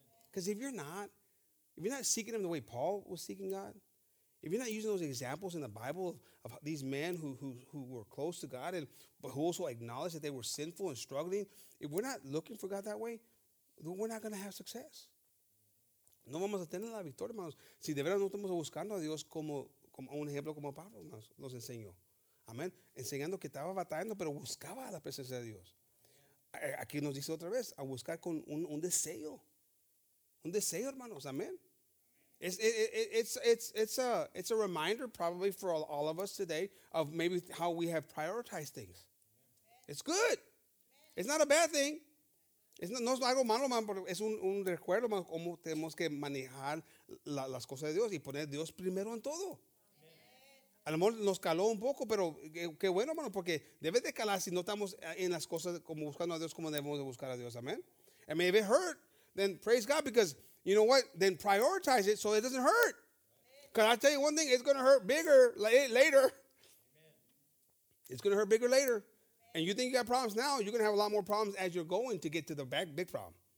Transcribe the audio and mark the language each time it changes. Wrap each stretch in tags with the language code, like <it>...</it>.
<en>Because if you're not seeking him the way Paul was seeking God, if you're not using those examples in the Bible of these men who were close to God and but who also acknowledged that they were sinful and struggling, if we're not looking for God that way, then we're not going to have success.</en> <es>No vamos a tener la victoria, hermanos. Si de verdad no estamos buscando a Dios como un ejemplo como Pablo, hermanos, nos enseñó. Amén. Enseñando que estaba batallando, pero buscaba la presencia de Dios. Aquí nos dice otra vez, a buscar con un deseo. Un deseo, hermanos. Amén.</es> <en>It's a reminder probably for all of us today of maybe how we have prioritized things. It's good. It's not a bad thing.</en> <es>No es algo malo, man, pero es un recuerdo, man, cómo tenemos que manejar las cosas de Dios y poner a Dios primero en todo. Amen. A lo mejor nos caló un poco, pero qué bueno, mano, porque debe de calar si no estamos en las cosas como buscando a Dios como debemos de buscar a Dios.</es> <en>Amen. And maybe it hurt, then praise God, because you know what? Then prioritize it so it doesn't hurt. Because I tell you one thing, it's going to hurt bigger later. It's going to hurt bigger later. And you think you got problems now, you're going to have a lot more problems as you're going to get to the big problem.</en>